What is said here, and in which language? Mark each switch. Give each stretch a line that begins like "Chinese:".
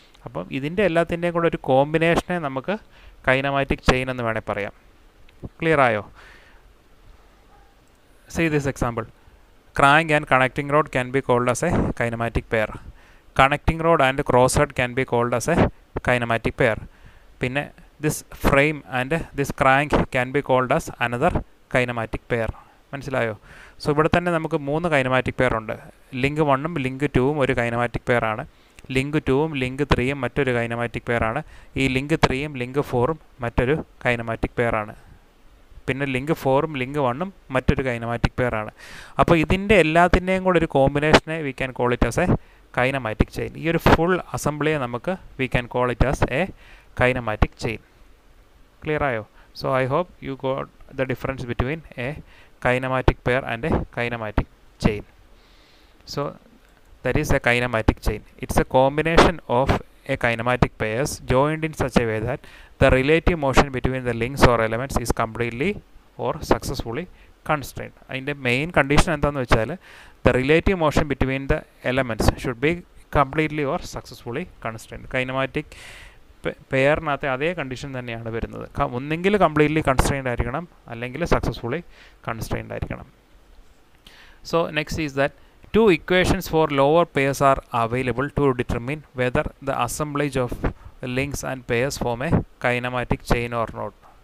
Malayalam: അപ്പം ഇതിൻ്റെ എല്ലാത്തിൻ്റെയും കൂടെ ഒരു കോമ്പിനേഷനെ നമുക്ക് കൈനമാറ്റിക് ചെയിൻ എന്ന് വേണമെങ്കിൽ പറയാം. ക്ലിയറായോ?
English: See this example, crank and connecting rod can be called as a kinematic pair. Connecting rod and cross head can be called as a kinematic pair.
Malayalam: പിന്നെ
English: this frame and this crank can be called as another kinematic pair.
Malayalam: മനസ്സിലായോ? So ഇവിടെ തന്നെ നമുക്ക് മൂന്ന് kinematic pair ഉണ്ട്. Link വണ്ണും link ടൂവും ഒരു കൈനമാറ്റിക് പെയർ ആണ്. ലിങ്ക് ടൂവും ലിങ്ക് ത്രീയും മറ്റൊരു കൈനമാറ്റിക് പെയർ ആണ്. ഈ ലിങ്ക് ത്രീയും ലിങ്ക് ഫോറും മറ്റൊരു കൈനമാറ്റിക് പെയർ ആണ്. പിന്നെ ലിങ്ക് ഫോറും ലിങ്ക് വണ്ണും മറ്റൊരു കൈനമാറ്റിക് പെയർ ആണ്. അപ്പോൾ ഇതിൻ്റെ എല്ലാത്തിൻ്റെയും കൂടെ ഒരു കോമ്പിനേഷനെ
English: We can call it as a kinematic chain.
Malayalam: ഈ ഒരു ഫുൾ അസംബ്ലിയെ നമുക്ക്
English: We can call it as a kinematic chain.
Malayalam: ക്ലിയറായോ?
English: So I hope you got the difference between a kinematic pair and a kinematic chain. So that is a kinematic chain. It's a combination of a kinematic pairs joined in such a way that the relative motion between the links or elements is completely or successfully constrained. And the main condition
Malayalam: enta nu vachale,
English: the relative motion between the elements should be completely or successfully constrained.
Malayalam: Kinematic പെയറിനകത്തെ അതേ condition തന്നെയാണ് വരുന്നത്. ഒന്നെങ്കിൽ completely constrained ആയിരിക്കണം, അല്ലെങ്കിൽ successfully constrained ആയിരിക്കണം.
English: So next is that two equations for lower pairs are available to determine whether the assemblage of links and pairs form a kinematic chain or not.